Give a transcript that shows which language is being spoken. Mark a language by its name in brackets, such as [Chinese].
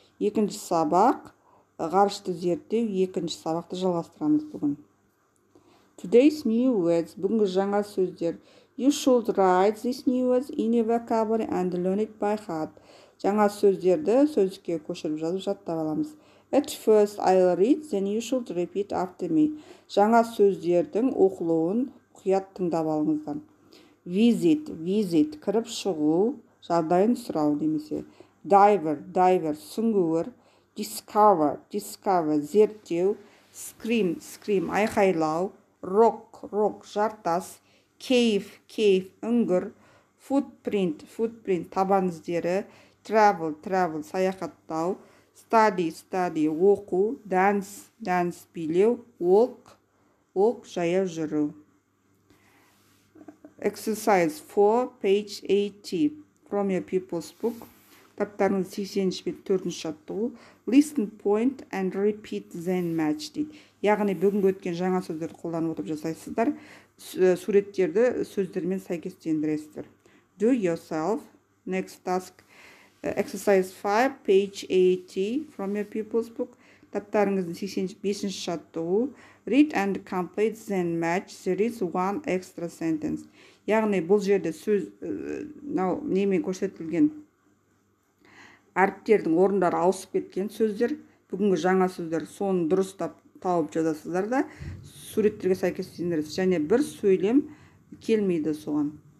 [Kazakh] Екінші сабақ, ғарышты зерттеу, екінші сабақты жалғастырамыз бүгін. [English] Today's new words, [Kazakh] бүгінгі жаңа сөздер. [English] You should write these new words in your vocabulary and learn it by heart. [Kazakh] Жаңа сөздерді сөздікке көшіріп жазып жаттап аламыз. [English] At first, I'll read, then you should repeat after me. [Kazakh] Жаңа сөздердің оқылуын құят тыңдап алыңыздан. Visit, visit, кіріп шығу, жағдайын сұрау демесе. [English] Diver, diver, сүңгуір. Discover, discover, зерттеу. Scream, scream, айқайлау. Rock, rock, жартас. Cave, cave, үңгір. Footprint, footprint, табан іздері. Travel, travel, саяхаттау. Study, study, оқу, dance, dance, билеу, walk, walk, жаяу жүру. Exercise 4, page 80, from your people's book. [Kazakh] Таптарыңыз 84-ші жаттығу. [English] Listen, point, and repeat, then match, дейді. [Kazakh] Яғни бүгінгі өткен жаңа сөздерді қолданып отырып жасайсыздар. Суреттерді сөздермен сәйкестендіресіздер. [English] Do yourself, next task. Exercise 5, page 80, from your people's book. [Kazakh] Таптарыңыздың 85-ші жаттығу. [English] Read and complete, then match. There is one extra sentence. [Kazakh] Яғни бұл жерде сөз, немен көрсетілген әріптердің орындары ауысып кеткен сөздер. Бүгінгі жаңа сөздер соны дұрыс тауып жазасыздар да, суреттерге сәйкес сендіресіз. Және бір сөйлем келмейді соған.